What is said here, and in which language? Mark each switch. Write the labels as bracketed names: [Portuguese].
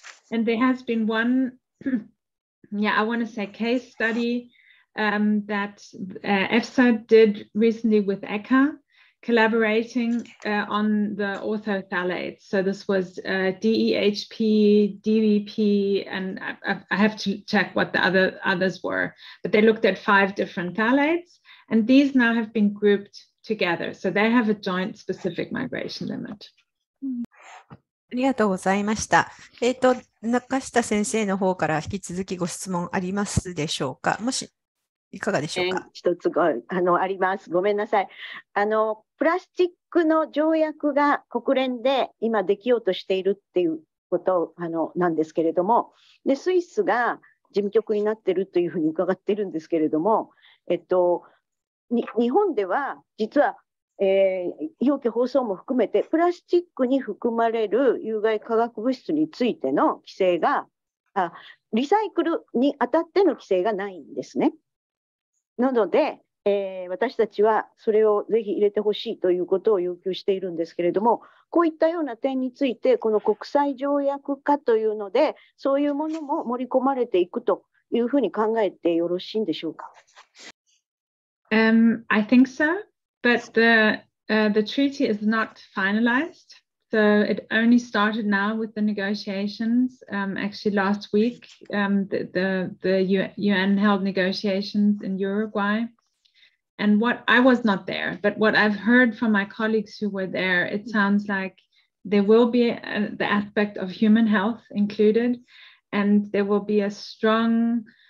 [English] And there has been one, I want to say case study that EFSA did recently with ECHA, collaborating on the ortho phthalates. So this was DEHP, DVP, and I have to check what the others were, but they looked at five different phthalates and these now have been grouped together. So they have a joint specific migration limit. [Japanese] ありがとうございました。中下先生の方から引き続きご質問ありますでしょうか？もしいかがでしょうか。一つがあります。ごめんなさい。プラスチックの条約が国連で今できようとしているっていうことなんですけれども、でスイスが事務局になっているというふうに伺っているんですけれども、日本では実は、容器包装も含めてプラスチックに含まれる有害化学物質についての規制が、リサイクルにあたっての規制がないんですね。なので、私たちはそれをぜひ入れてほしいということを要求しているんですけれども、こういったような点についてこの国際条約化というのでそういうものも盛り込まれていくというふうに考えてよろしいんでしょうか。 [English] I think so, but the treaty is not finalized, so it only started now with the negotiations. Actually, last week, the UN held negotiations in Uruguay, and what I was not there, but what I've heard from my colleagues who were there, it sounds like there will be the aspect of human health included, and there will be a strong